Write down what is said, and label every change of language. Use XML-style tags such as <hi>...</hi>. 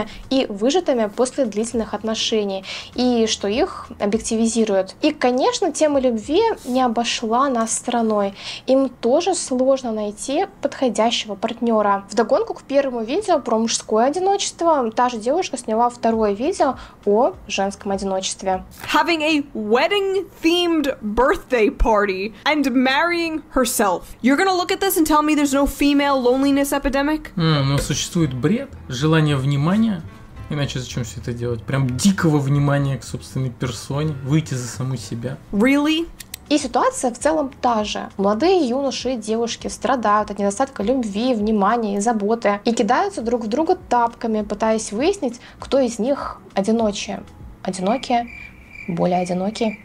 <ru>И выжатыми после длительных отношений. И что их объективизируют. И, конечно, тема любви не обошла нас стороной. Им тоже сложно найти подходящего партнера. Вдогонку к первому видео про мужское одиночество, та же девушка сняла второе видео о женском одиночестве.</ru> <en>Having a wedding-themed birthday party and marrying herself. You're gonna look at this and tell me there's no female loneliness epidemic?</en> <ru>Но существует бред, желание внимания. Иначе зачем все это делать? Прям дикого внимания к собственной персоне, выйти за саму себя.</ru> <en>Really?</en> <ru>И ситуация в целом та же. Молодые юноши и девушки страдают от недостатка любви, внимания и заботы и кидаются друг в друга тапками, пытаясь выяснить, кто из них одиночие. Одинокие? Более одинокий.</ru>